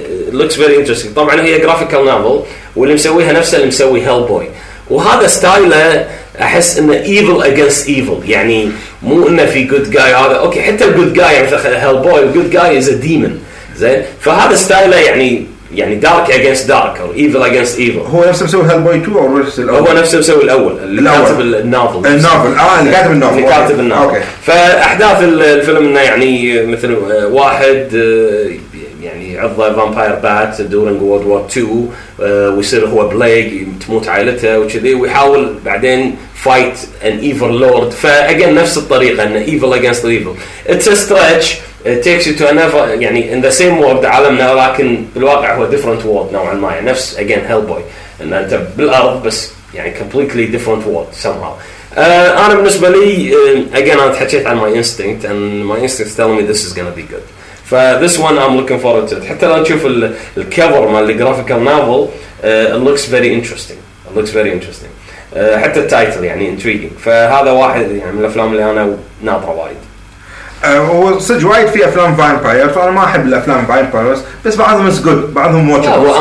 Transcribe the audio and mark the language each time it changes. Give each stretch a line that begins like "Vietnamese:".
English: looks very interesting
Arabic: طبعا هي جرافيكال نوفل واللي مسويها نفسه اللي مسوي هيل بوي وهذا ستايله احس انه ايفل اجينست ايفل يعني مو انه في جود جاي هذا اوكي حتى الجود جاي مثل هيل بوي
English: الجود guy is a demon
Arabic: زين فهذا ستايله يعني
English: dark against dark او evil against evil
Arabic: هو نفسه مسوي هيل بوي 2 او نفسه الاول هو نفسه مسوي الاول اللي كاتب النوفل اوكي فاحداث الفيلم انه يعني مثل واحد يعني عضى فامباير بات دورنج وورلد وور 2 ويصير هو بليغ تموت عائلته وكذي ويحاول بعدين
English: fight an evil lord
Arabic: فأجل نفس الطريقة أن
English: evil against evil it's a stretch it takes you to another
Arabic: يعني
English: in the same world
Arabic: عالمنا لكن بالواقع هو
English: different world
Arabic: نوعا ما يعني نفس again Hellboy أن أنت بالأرض بس يعني
English: completely different world somehow
Arabic: أنا بالنسبة لي
English: again
Arabic: أنا تحكيت عن
English: my instinct and my instinct is telling me this is gonna be good ف this one I'm looking forward to it.
Arabic: حتى لو تشوف ال cover مال الجرافيكال نوفل
English: it looks very interesting
Arabic: حتى التايتل يعني
English: intriguing
Arabic: فهذا واحد يعني من الأفلام اللي أنا ناطرة وايد وصدق وايد في أفلام فامباير فأنا ما أحب الأفلام فامبايرز بس بعضهم
English: is good
Arabic: بعضهم
English: watchable